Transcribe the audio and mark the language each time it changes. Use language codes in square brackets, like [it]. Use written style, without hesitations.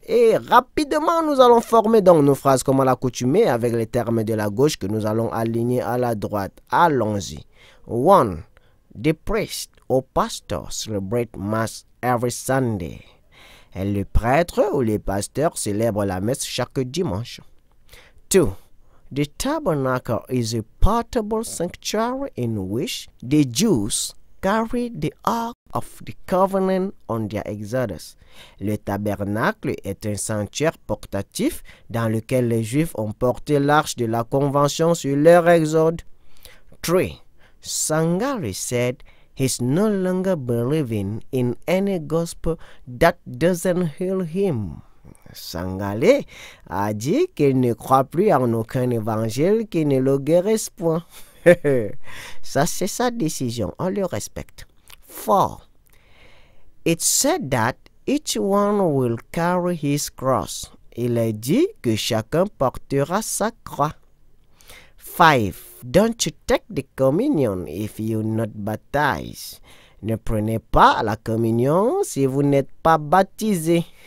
[fr] Et rapidement, nous allons former donc nos phrases comme à l'accoutumée avec les termes de la gauche que nous allons aligner à la droite. Allons-y. 1. [en] The priest or pastor celebrate mass every Sunday. [fr] Et le prêtre ou le pasteur célèbre la messe chaque dimanche. 2. [en] The tabernacle is a portable sanctuary in which the Jews carry the Ark of the Covenant on their exodus. [fr] Le tabernacle est un sanctuaire portatif dans lequel les Juifs ont porté l'Arche de la Convention sur leur exode. 3. [en] Sangari said he's no longer believing in any gospel that doesn't heal him. [fr] Sangale a dit qu'il ne croit plus en aucun évangile qui ne le guérisse point. Ça, c'est sa décision. On le respecte. 4. [en] It said that each one will carry his cross. [fr] Il a dit que chacun portera sa croix. 5. [en] Don't you take the communion if you're not baptized. [fr] Ne prenez pas la communion si vous n'êtes pas baptisé.